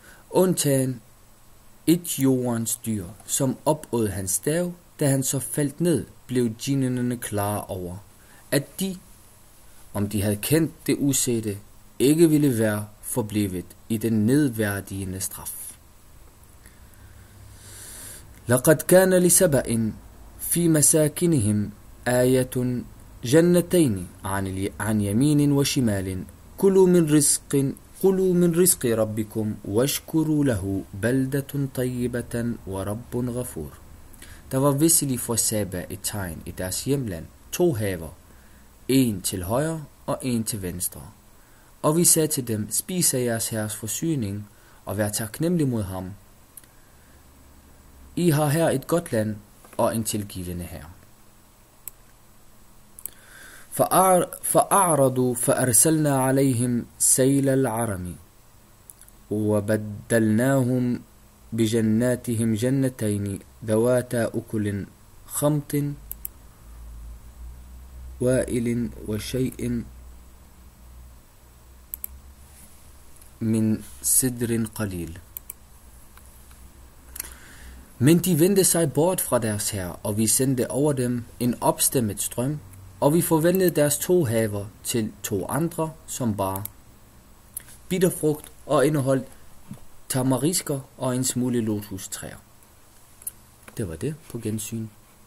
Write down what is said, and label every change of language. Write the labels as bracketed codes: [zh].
[da] undtagen et jordens dyr, som opåd hans stav, da han så faldt ned, blev djinnene klar over, at de, om de havde kendt det usete, ikke ville være forblevet i den nedværdigende straf. [ar] لقد كان لسبأ في مساكنهم آية جنتين عن يمين وشمال كلوا من رزق ربكم واشكروا له بلدة طيبة ورب غفور. [da] Der var visselig for Saba et tegn i deres hjemland, to haver, en til højre og en til venstre. Og vi sagde til dem, spis af jeres herres forsyning og vær taknemmelig mod ham. I har her et godt land og en tilgivende herre. [ar] فأعرضوا فأرسلنا عليهم سيل العرم وبدلناهم بجناتهم جنتين ذواتا أكل خمط وائل وشيء من سدر قليل. [da] Men de vendte sig bort fra deres herre, og vi sendte over dem en opstemmet strøm, og vi forvandlede deres to haver til to andre, som bar bitterfrugt og indeholdt tamarisker og en smule lotustræer. Det var det på gensyn.